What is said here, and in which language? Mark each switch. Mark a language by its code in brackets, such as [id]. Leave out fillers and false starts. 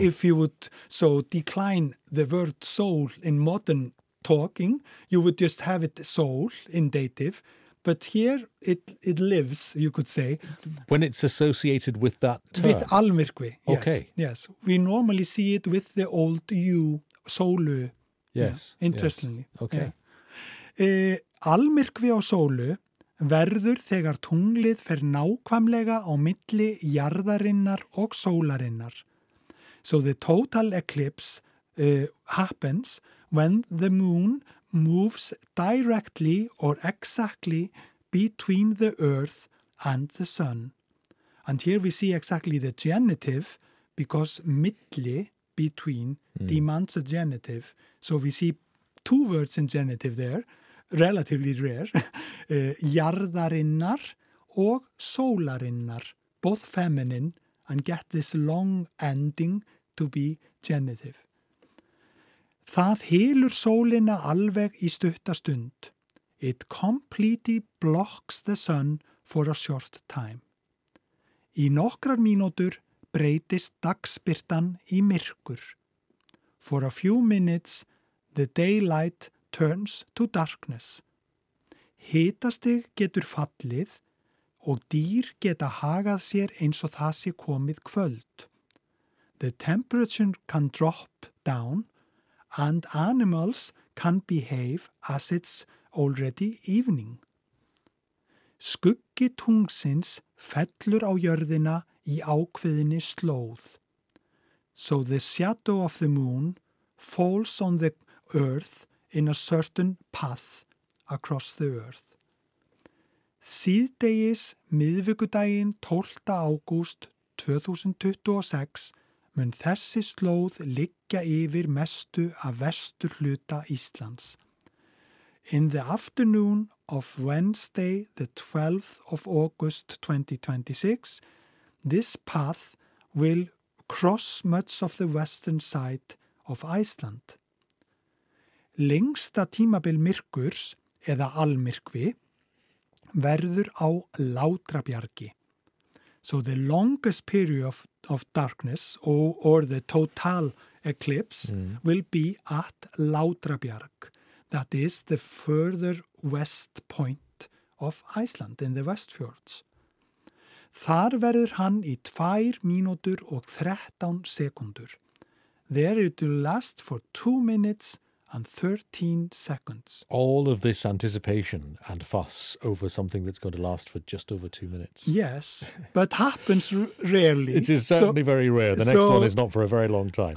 [en] If you would so decline the word sol in modern talking, you would just have it sol in dative. But here it lives, you could say. When it's associated with that term. With almyrkvi, yes. Okay. Yes, we normally see it with the old u. [is] Sólu. [en] Yes. Yeah, interestingly. Yes. Okay. Yeah. [is] Almyrkvi á sólu verður þegar tunglið fer nákvæmlega á milli jarðarinnar og sólarinnar. [en] So the total eclipse happens when the moon moves directly or exactly between the earth and the sun. And here we see exactly the genitive because milli between demands a genitive. So we see two words in genitive there, relatively rare. [is] Jarðarinnar og sólarinnar, [en] both feminine, and get this long ending, to be genitive. [is] Það hylur sólina alveg í stutta stund. [en] It completely blocks the sun for a short time. [is] Í nokkrar mínútur breytist dagsbirtan í myrkur. [en] For a few minutes, the daylight turns to darkness. [is] Hitastig getur fallið og dýr geta hagað sér eins og það sé komið kvöld. [en] The temperature can drop down and animals can behave as it's already evening. [is] Skuggi tungsins fellur á jörðina í ákveðinni slóð. [en] So the shadow of the moon falls on the earth in a certain path across the earth. [is] Síðdegis miðvikudaginn 12. ágúst 2026 mun þessi slóð liggja yfir mestu af vestur hluta Íslands. [en] In the afternoon of Wednesday, the 12th of August 2026, this path will cross much of the western side of Iceland. [is] Lengsta tímabil myrkurs eða almyrkvi verður á Látrabjargi. [en] So the longest period of darkness or the total eclipse will be at Látrabjarg. That is the further west point of Iceland in the Westfjords. [is] Þar verður hann í 2 mínútur og 13 sekundur. [en] There it will last for 2 minutes and 13 seconds. All of this anticipation and fuss over something that's going to last for just over 2 minutes. Yes, but happens rarely. It is certainly very rare. The next one is not for a very long time.